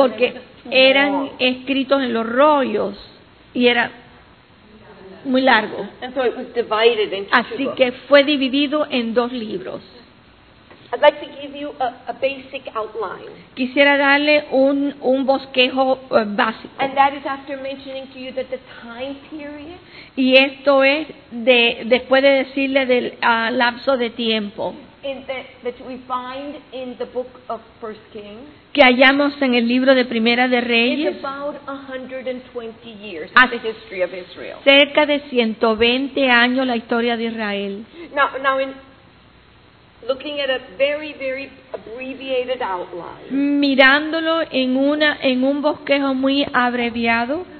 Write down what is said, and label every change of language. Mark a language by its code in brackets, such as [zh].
[es] Porque eran escritos en los rollos y era muy largo. [en] And so it was divided into [es] Así [en] two [es] que [en] books. [es] Fue dividido en dos libros. [en] I'd like to give you a basic outline. [es] Quisiera darle un bosquejo básico. [en] And that is after mentioning to you that the time period. [es] Y esto es después de decirle del lapso de tiempo. [en] That we find in the book of First Kings. [es] Que hallamos en el libro de Primera de Reyes. [en] It's about 120 years of the history of Israel. [es] Cerca de 120 años la historia de Israel. [en] Now in looking at a very, very abbreviated outline. [es] Mirándolo en un bosquejo muy abreviado.